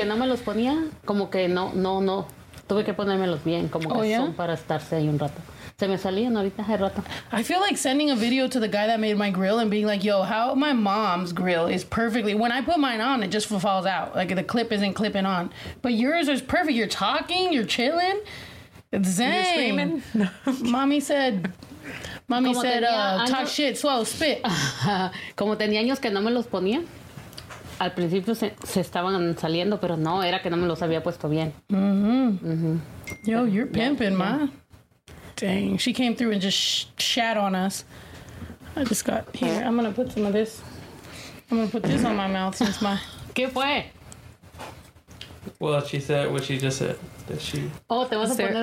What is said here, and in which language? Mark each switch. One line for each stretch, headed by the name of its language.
Spanish: Que no me los ponía, como que no. Tuve que ponérmelos bien, como que son para estarse ahí un rato. Se me salían ahorita hace rato.
English: I feel like sending a video to the guy that made my grill and being like, yo, how my mom's grill is perfectly... When I put mine on, it just falls out. Like, the clip isn't clipping on. But yours is perfect. You're talking. You're chilling. It's zen. You're screaming. Mommy said, talk shit, swallow, spit.
Spanish: Como tenía años que no me los ponía. Al principio se estaban saliendo, pero no, era que no me los había puesto bien.
English: Mm-hmm. Mm-hmm. Yo, you're pimping, yeah, ma. Yeah. Dang, she came through and just shat on us. I just got here. I'm gonna put some of this. I'm gonna put this on my mouth since my.
Spanish: ¿Qué fue?
English: Well, she said what she just said. That she.
Spanish: Oh, te vas a poner.